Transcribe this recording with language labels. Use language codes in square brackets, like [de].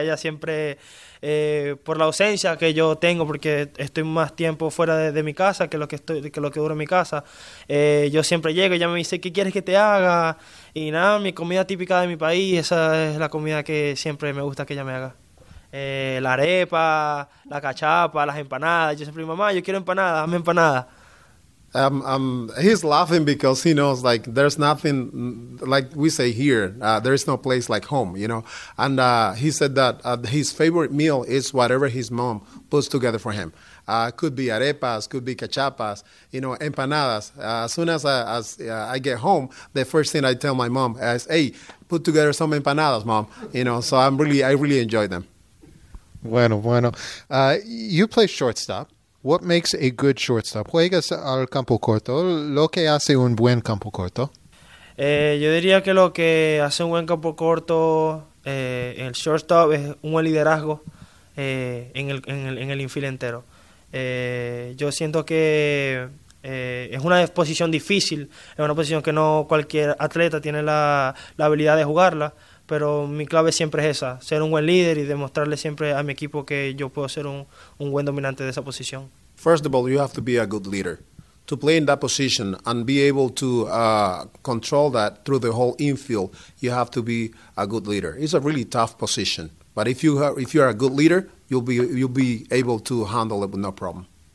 [es] Ella siempre, por la ausencia que yo tengo, porque estoy más tiempo fuera de mi casa que lo que duro en mi casa, yo siempre llego y ella me dice, ¿qué quieres que te haga? Y nada, mi comida típica de mi país, esa es la comida que siempre me gusta que ella me haga. La arepa, la cachapa, las empanadas. Yo siempre digo, mamá, yo quiero empanadas, hazme empanadas. [en] He's laughing because he knows, like, there's nothing, like we say here, there is no place like home, you know. And he said that his favorite meal is whatever his mom puts together for him. Could be arepas, could be cachapas, you know, empanadas. As soon as I get home, the first thing I tell my mom is, hey, put together some empanadas, mom. You know, so I really enjoy them. [es] Bueno. [en] You play shortstop. What makes a good shortstop? [es] ¿Juegas al campo corto? ¿Lo que hace un buen campo corto? Yo diría que lo que hace un buen campo corto el shortstop es un buen liderazgo en el infield entero. Yo siento que es una posición difícil, es una posición que no cualquier atleta tiene la habilidad de jugarla, pero mi clave siempre es esa, ser un buen líder y demostrarle siempre a mi equipo que yo puedo ser un buen dominante de esa posición. [en] First of all, you have to be a good leader. To play in that position and be able to control that through the whole infield, you have to be a good leader. It's a really tough position, but if you are a good leader, you'll be able to handle it with no problem.